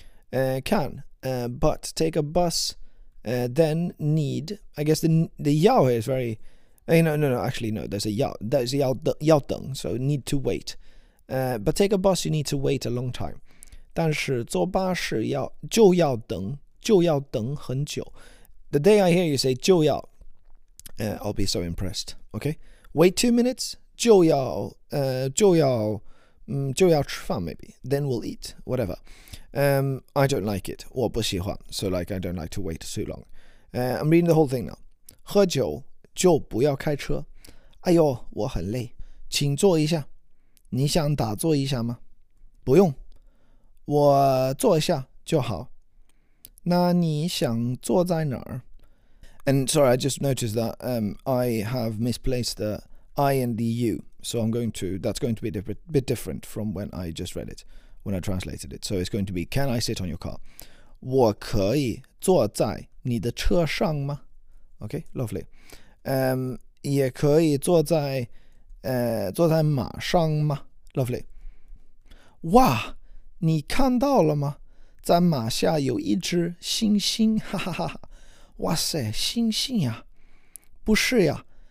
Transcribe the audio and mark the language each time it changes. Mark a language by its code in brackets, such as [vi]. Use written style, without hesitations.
[en] But take a bus then need, I guess the 要 is very, there's a [zh] 要等, [en] so need to wait. But take a bus, you need to wait a long time. [zh] 但是坐巴士要就要等，就要等很久。 [en] The day I hear you say [zh] 就要, [en] I'll be so impressed. Okay, wait 2 minutes. [zh] 就要吃饭 [en] maybe. Then we'll eat. Whatever. I don't like it. [zh] 我不喜欢。 [en] So like, I don't like to wait too long. I'm reading the whole thing now. [zh] 喝酒就不要开车。哎呦，我很累。请坐一下。你想打坐一下吗？不用。我坐一下就好。那你想坐在哪儿？ [en] And sorry, I just noticed that I have misplaced the... I and the you, so I'm going to, that's going to be a bit different from when I just read it, when I translated it. So it's going to be, can I sit on your car? [zh] 我可以坐在你的车上吗? [en] Okay, lovely. [zh] 也可以坐在, 坐在马上吗? [en] Lovely. [zh] 哇,你看到了吗? 在马下有一只猩猩,哈哈哈哈。哇塞,猩猩呀。不是呀。